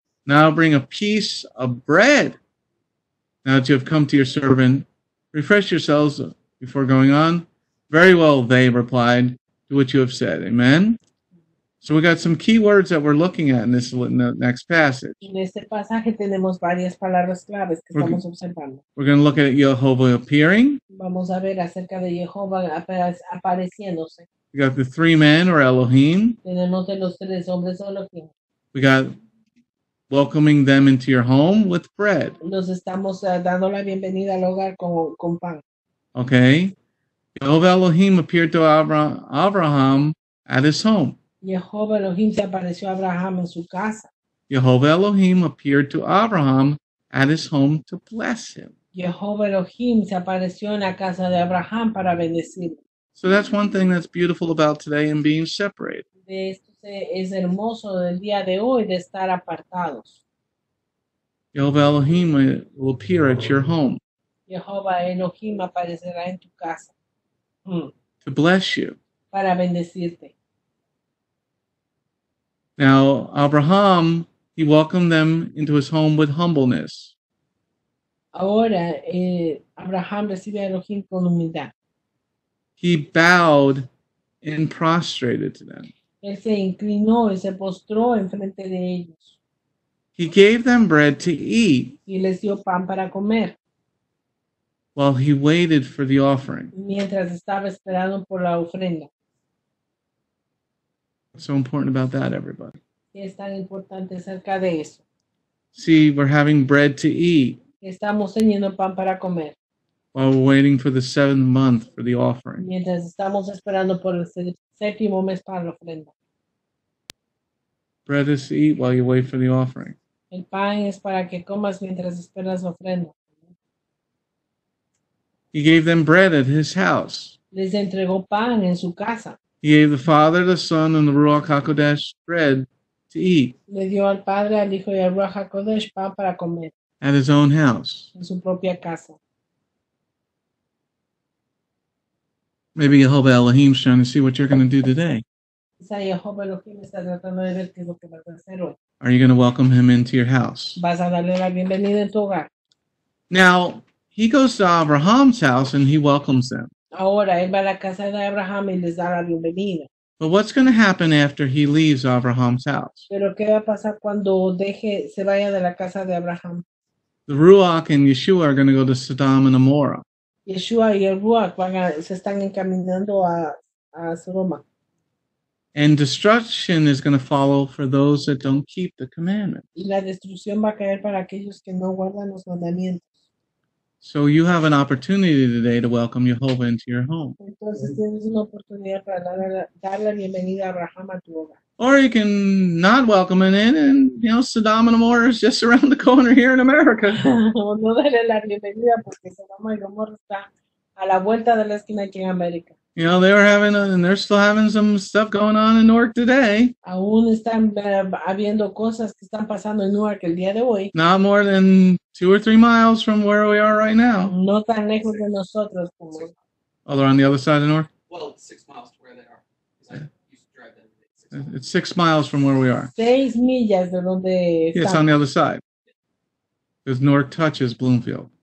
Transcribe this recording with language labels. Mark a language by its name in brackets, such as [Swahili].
[English] Now bring a piece of bread. Now that you have come to your servant, refresh yourselves before going on." "Very well," they replied, "do what you have said." Amen. So we got some key words that we're looking at in the next passage. [Spanish] En este pasaje tenemos varias palabras claves que estamos observando. [English] We're going to look at Yehovah appearing. [Spanish] Vamos a ver acerca de Jehovah apareciéndose. [English] We got the three men or Elohim. [Spanish] Tenemos de los tres hombres Elohim. [English] We got welcoming them into your home with bread. [Spanish] Nos estamos dando la bienvenida al hogar con pan. [English] Okay. Jehovah Elohim appeared to Abraham at his home. [Spanish] Jehovah Elohim se apareció a Abraham en su casa. [English] Jehovah Elohim appeared to Abraham at his home to bless him. [Spanish] Jehovah Elohim se apareció en la casa de Abraham para bendecirlo. [English] So that's one thing that's beautiful about today and being separated. [Spanish] De esto es hermoso del día de hoy de estar apartados. [English] Jehovah Elohim will appear at your home. [Spanish] Jehovah Elohim aparecerá en tu casa. [English] To bless you. [Spanish] Para bendecirte. [English] Now, Abraham, he welcomed them into his home with humbleness. [Spanish] Ahora, Abraham recibe a Elohim con humildad. [English] He bowed and prostrated to them. [Spanish] Él se inclinó y se postró en frente de ellos. [English] He gave them bread to eat. [Spanish] Y les dio pan para comer. [English] While he waited for the offering. [Spanish] Mientras estaba esperando por la ofrenda. [English] So important about that, everybody. [Spanish] Es tan importante acerca de eso. [English] See, we're having bread to eat. [Spanish] Estamos teniendo pan para comer. [English] While we're waiting for the seventh month for the offering. [Spanish] Mientras estamos esperando por el séptimo mes para la ofrenda. [English] Bread is to eat while you wait for the offering. [Spanish] El pan es para que comas mientras esperas la ofrenda. [English] He gave them bread at his house. [Spanish] Les entregó pan en su casa. [English] He gave the Father, the Son, and the Ruach HaKodesh bread to eat. [Spanish] Le dio al Padre, al Hijo y al Ruach HaKodesh pan para comer. [English] At his own house. [Spanish] En su propia casa. [English] Maybe Jehovah Elohim's trying to see what you're going to do today. [Spanish] Quizá Jehovah Elohim está tratando de ver qué es lo que vas a hacer hoy. [English] Are you going to welcome him into your house? [Spanish] Vas a darle la bienvenida en tu hogar. [English] Now, he goes to Abraham's house and he welcomes them. [Spanish] Ahora, él va a la casa de Abraham y les da la bienvenida. [English] But what's going to happen after he leaves Abraham's house? [Spanish] Pero ¿qué va a pasar cuando deje, se vaya de la casa de Abraham? [English] The Ruach and Yeshua are going to go to Sodom and Gomorrah. [Spanish] Yeshua y el Ruach se están encaminando a Sodoma. [English] And destruction is going to follow for those that don't keep the commandment. [Spanish] Y la destrucción va a caer para aquellos que no guardan los mandamientos. [English] So you have an opportunity today to welcome Jehovah into your home. [Spanish] Entonces tienes una oportunidad para dar la bienvenida a Abraham a tu hogar. [English] Or you can not welcome him in, and you know Sodom and Gomorrah is just around the corner here in America. [Spanish] No darle la bienvenida porque Sodom y Gomorrah está a la vuelta de la esquina aquí en América. [English] You know, they're still having some stuff going on in Newark today. [Spanish] Aún están habiendo cosas que están pasando en Newark el día de hoy. [English] Not more than 2 or 3 miles from where we are right now. [Spanish] No tan lejos de nosotros como. [English] Oh, they're on the other side of Newark? Well, 6 miles to where they are. Yeah. I used to drive them. It's 6 miles from where we are. [Spanish] 6 millas de donde están. [English] Yeah, it's on the other side. Because Newark touches Bloomfield.